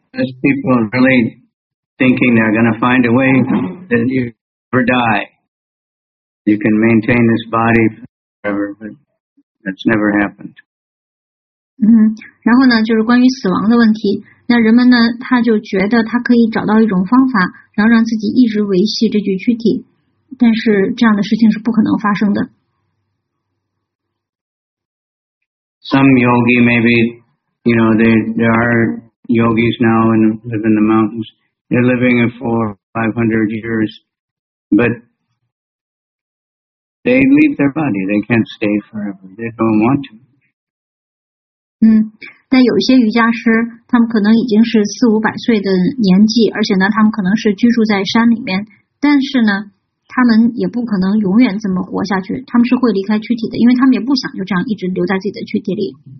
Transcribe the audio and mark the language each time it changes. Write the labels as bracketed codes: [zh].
[en] As people are really thinking they're going to find a way that you never die. You can maintain this body forever, but that's never happened. [zh] 嗯，然后呢，就是关于死亡的问题。那人们呢，他就觉得他可以找到一种方法，然后让自己一直维系这具躯体，但是这样的事情是不可能发生的。 [en] Some yogi maybe, you know, there are yogis now and live in the mountains. They're living in 400 or 500 years, but they leave their body. They can't stay forever. They don't want to. [zh] 嗯，但有些瑜伽师，他们可能已经是400-500岁的年纪，而且呢，他们可能是居住在山里面，但是呢，他们也不可能永远这么活下去，他们是会离开躯体的，因为他们也不想就这样一直留在自己的躯体里。